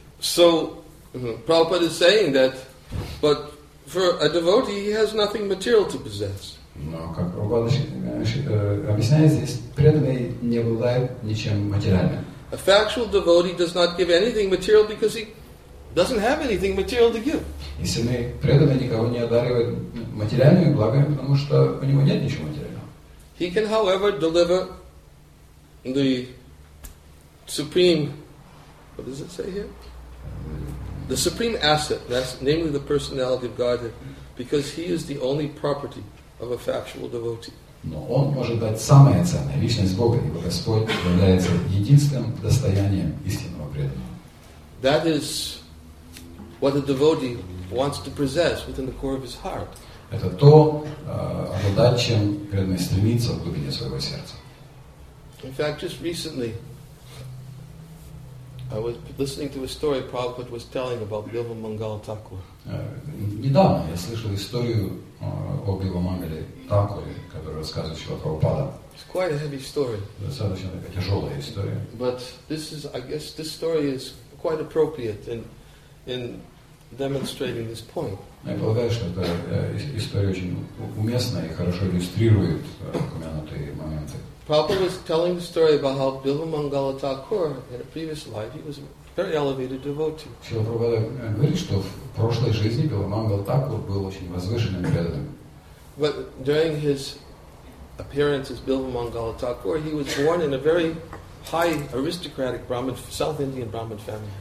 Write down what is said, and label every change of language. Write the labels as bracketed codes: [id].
[en] So, Prabhupada is saying that, but for a devotee, he has nothing material to possess. [ru] Но как Прабхупада объясняет здесь, преданный не обладает ничем материальным. [en] A factual devotee does not give anything material because he doesn't have anything material to give. [ru] Истинный преданный никого не одаривает материальными благами, потому что у него нет ничего материального. [en] He can, however, deliver the supreme. What does it say here? The supreme asset, that's namely the personality of Godhead, because he is the only property of a factual devotee. [ru] Но он может дать самое ценное, личность Бога, ибо Господь является единственным достоянием истинного преданного. [en] That is what a devotee wants to possess within the core of his heart. [ru] Это то, обладать чем преданный стремится в глубине своего сердца. [en] In fact, just recently, I was listening to a story Prabhupada was telling about Bilva Mangala Thakur. [ru] Недавно я слышал историю о Бива Мангале Такуре, которую рассказывает Шрила Прабхупада. [en] It's quite a heavy story. [ru] Достаточно такая тяжелая история. [en] But this is, I guess, this story is quite appropriate in demonstrating this point. [ru] Я полагаю, что эта история очень уместна и хорошо иллюстрирует упомянутые моменты. [en] Prabhupada was telling the story about how Bilva Mangala Thakur, in a previous life, he was a very elevated devotee. [ru] Шрила Прабхупада говорит, что в прошлой жизни Бива Мангала Такур был очень возвышенным преданным. [en] But during his appearance as Bilva Mangala Thakur, he was born in a very high aristocratic Brahmin, South Indian Brahmin family.